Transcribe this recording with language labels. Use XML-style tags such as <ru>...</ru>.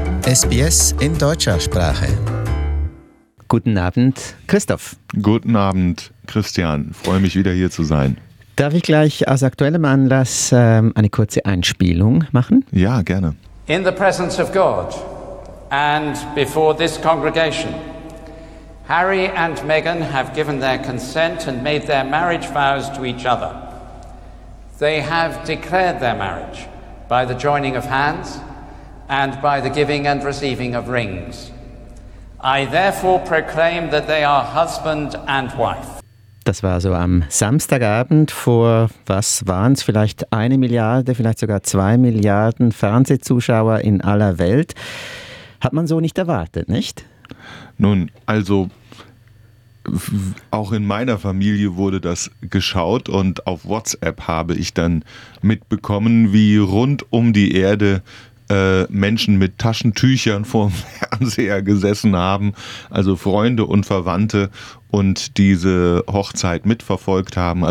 <de>SBS in deutscher Sprache. Guten Abend, Christoph. Guten Abend, Christian. Freue mich, wieder hier zu sein. Darf ich gleich aus aktuellem Anlass eine kurze Einspielung machen? Ja, gerne.</de> <en>In the presence of God and before this congregation, Harry and Meghan have given their consent and made their marriage vows to each other. They have declared their marriage by the joining of hands and by the giving and receiving of rings. I therefore proclaim that they are husband and wife.</en> <de>Das war so am Samstagabend vor, was waren es, vielleicht 1 Milliarde, vielleicht sogar 2 Milliarden Fernsehzuschauer in aller Welt. Hat man so nicht erwartet, nicht? Nun, also auch in meiner Familie wurde das geschaut und auf WhatsApp habe ich dann mitbekommen, wie rund um die Erde Menschen mit Taschentüchern vorm Fernseher gesessen haben, also Freunde und Verwandte, und diese Hochzeit mitverfolgt haben.</de>